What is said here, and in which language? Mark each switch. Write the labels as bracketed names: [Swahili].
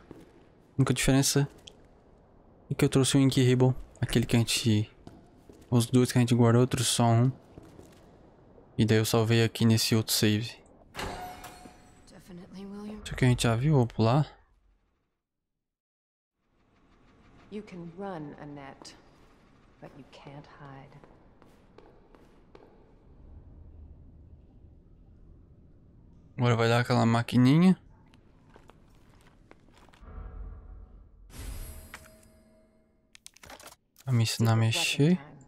[Portuguese] A única diferença é que eu trouxe o Incredible, aquele que a gente... Os dois que a gente guardou, eu trouxe só um. E daí eu salvei aqui nesse outro save. Isso aqui a gente já viu, vou pular. [English] You can run, Annette, but you can't hide. [Portuguese] Agora vai dar aquela maquininha. Vai me ensinar a mexer.